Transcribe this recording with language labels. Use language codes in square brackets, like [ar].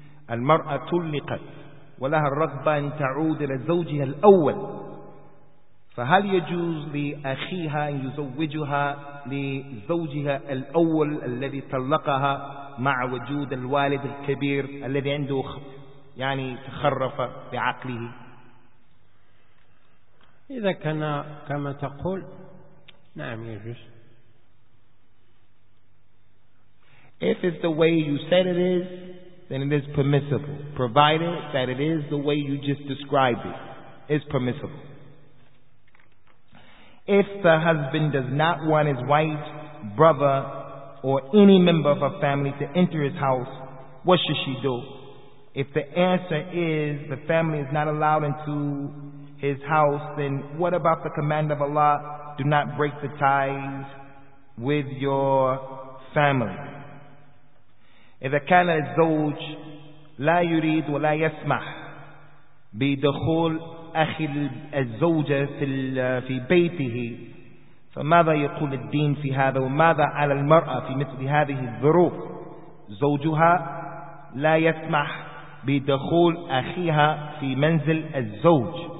[ar] المرأة طلقت ولها الرغبة أن تعود إلى زوجها الأول، فهل يجوز لأخيها أن يزوجها لزوجها الأول الذي طلقها مع وجود الوالد الكبير الذي عنده يعني تخرف بعقله؟ إذا كان كما تقول نعم يجوز. [en] If it's the way you said it is, then it is permissible, provided that it is the way you just described it. It's permissible. If the husband does not want his wife, brother, or any member of her family to enter his house, what should she do? If the answer is the family is not allowed into his house, then what about the command of Allah, do not break the ties with your family? [ar] إذا كان الزوج لا يريد ولا يسمح بدخول أخي الزوجة في بيته، فماذا يقول الدين في هذا؟ وماذا على المرأة في مثل هذه الظروف؟ زوجها لا يسمح بدخول أخيها في منزل الزوج،